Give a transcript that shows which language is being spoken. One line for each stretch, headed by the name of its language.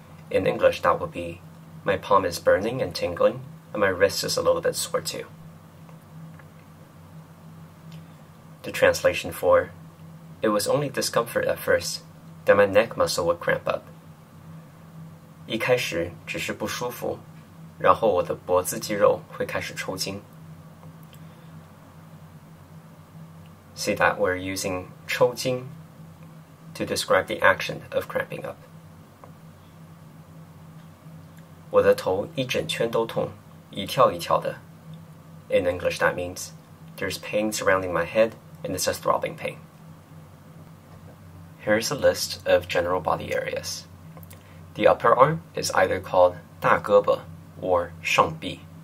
English: In English, that would be, my palm is burning and tingling, and my wrist is a little bit sore too. The translation for, it was only discomfort at first, then my neck muscle would cramp up.
Chinese: 一开始只是不舒服, 然后我的脖子肌肉会开始抽筋.
English: See that we're using 抽筋 to describe the action of cramping up.
Chinese: 我的头一整圈都痛,一跳一跳的.
English: In English that means, there's pain surrounding my head and it's a throbbing pain. Here's a list of general body areas. The upper arm is either called 大胳膊 or 上臂.